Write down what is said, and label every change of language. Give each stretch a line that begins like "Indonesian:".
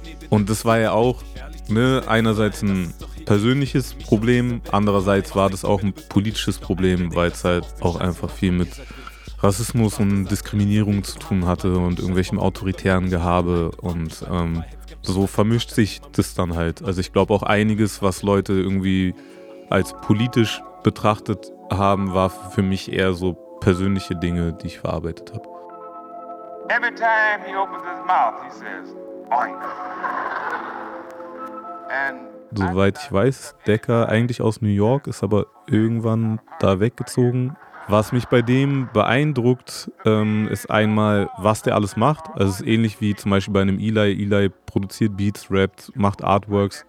German: Und das war ja auch, ne, einerseits ein persönliches Problem, andererseits war das auch ein politisches Problem, weil es halt auch einfach viel mit Rassismus und Diskriminierung zu tun hatte und irgendwelchem autoritären Gehabe und so vermischt sich das dann halt. Also ich glaube auch einiges, was Leute irgendwie als politisch betrachtet haben, war für mich eher so persönliche Dinge, die ich verarbeitet habe.
English: Every time he opens his mouth, he says, "Boink."
German: And soweit ich weiß, Decker eigentlich aus New York, ist aber irgendwann da weggezogen. Was mich bei dem beeindruckt, ist einmal, was der alles macht. Also es ist ähnlich wie zum Beispiel bei einem Eli. Eli produziert Beats, rappt, macht Artworks.